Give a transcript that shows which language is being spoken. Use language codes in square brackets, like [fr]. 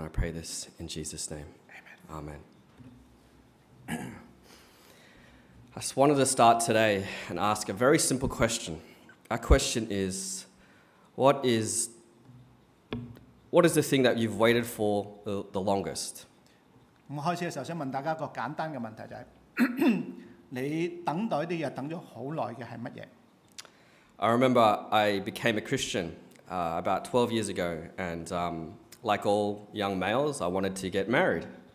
[en] I pray this in Jesus' name. Amen. Amen. I just wanted to start today and ask a very simple question. Our question is, what is the thing that you've waited for the longest? [zh] 我開始的時候想問大家一個簡單的問題，就是 你等待的日子等了很久的是什麼？ [en] I remember I became a Christian about 12 years ago, and like all young males, I wanted to get married.